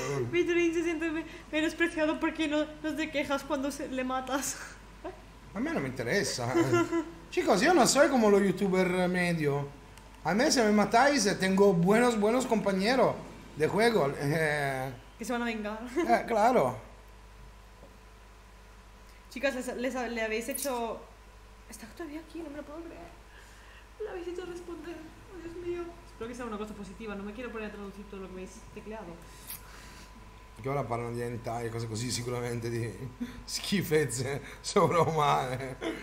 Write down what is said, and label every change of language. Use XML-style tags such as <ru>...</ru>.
<it>Vitorin si sente menospreciato perché non si quejas quando</it> <es>le matas.</es> <it>A me non mi interessa.</it> <es>Chicos,</es> <it>io non sono come lo youtuber medio.</it> <es>A me se mi matáis tengo buenos compañeros de juego. Que se van a vengar. Claro. Chicas, le habéis hecho... ¿Está todavía aquí? No me lo puedo creer. Le habéis hecho responder. Oh, Dios mío. Espero que sea una cosa positiva. No me quiero poner a traducir todo lo que me habéis tecleado.</es> <it>Che ora parlano di hentai e cose così, sicuramente di schifezze sovraumane.</it>